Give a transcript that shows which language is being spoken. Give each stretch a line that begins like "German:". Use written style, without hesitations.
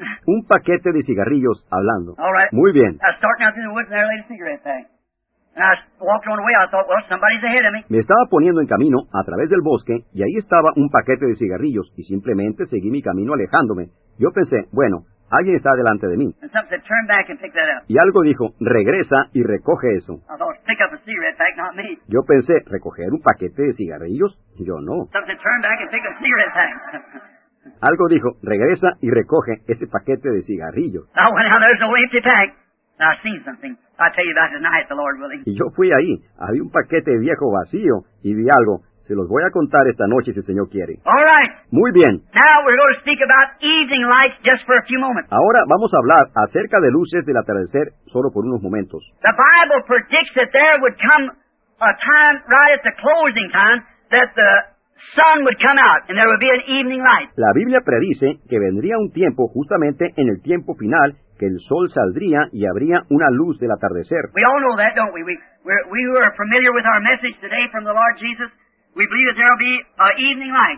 Spanish: Un paquete de cigarrillos hablando.
English: All right.
Spanish: Muy bien.
English: I was starting out through the woods and there laid a cigarette pack. And I walked on the way, I thought, well, somebody's ahead of me.
Spanish: Me estaba poniendo en camino a través del bosque y ahí estaba un paquete de cigarrillos y simplemente seguí mi camino alejándome. Yo pensé, bueno, alguien está delante de mí.
English: And something said, turn back and pick that up.
Spanish: Y algo dijo, regresa y recoge eso.
English: I thought, pick up a cigarette pack, not me.
Spanish: Yo pensé, ¿recoger un paquete de cigarrillos? Yo no.
English: Something said, turn back and pick a cigarette pack.
Spanish: Algo dijo, regresa y recoge ese paquete de cigarrillos.
English: I went out, there's no empty pack. I seen something. I'll tell you about tonight, the Lord willing.
Spanish: Y yo fui ahí. Había un paquete viejo vacío y vi algo. Se los voy a contar esta noche si el Señor quiere.
English: All right.
Spanish: Muy bien.
English: Now we're going to speak about evening light just for a few moments.
Spanish: Ahora vamos a hablar acerca de luces del atardecer solo por unos momentos.
English: The Bible predicts that there would come a time right at the closing time that the sun would come out and there would be an evening light.
Spanish: La Biblia predice que vendría un tiempo justamente en el tiempo final que el sol saldría y habría una luz del atardecer.
English: We all know that, don't we? We are familiar with our message today from the Lord Jesus. We believe that there will be an evening light.